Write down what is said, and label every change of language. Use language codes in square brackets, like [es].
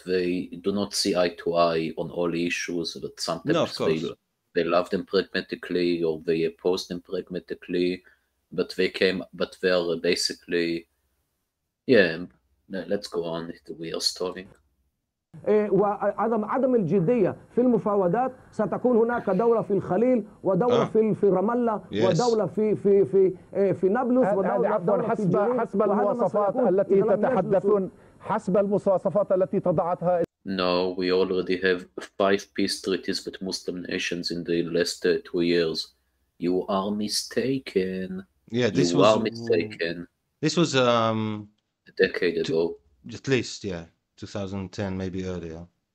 [en] they do not see eye to eye on all issues, but sometimes they love them pragmatically or they oppose them pragmatically, let's go on, we are stalling. [ar] وعدم الجدية في المفاوضات ستكون هناك دولة في الخليل ودولة في رام الله ودولة في نابلس ودولة حسب المواصفات التي تتحدثون حسب المواصفات التي تضعتها. [en] No, we already have 5 peace treaties with Muslim nations in the last 2 years. You are mistaken. This was a decade ago. At least, yeah. 2010, maybe earlier.